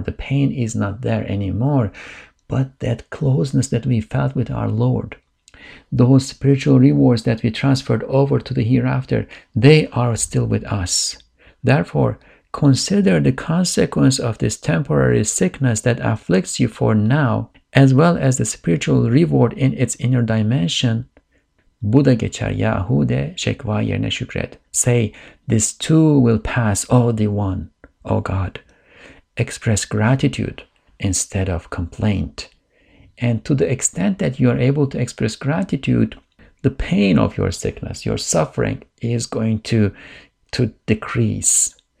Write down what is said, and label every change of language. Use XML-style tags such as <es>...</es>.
<en>The pain is not there anymore. But that closeness that we felt with our Lord, those spiritual rewards that we transferred over to the hereafter, they are still with us. Therefore, consider the consequence of this temporary sickness that afflicts you for now, as well as the spiritual reward in its inner dimension.</en> <tr>Buda geçer yahu de şekva yerine şükret.</tr> <en>Say, this too will pass, O Divine, O God. Express gratitude instead of complaint. And to the extent that you are able to express gratitude, the pain of your sickness, your suffering, is going to decrease.</en>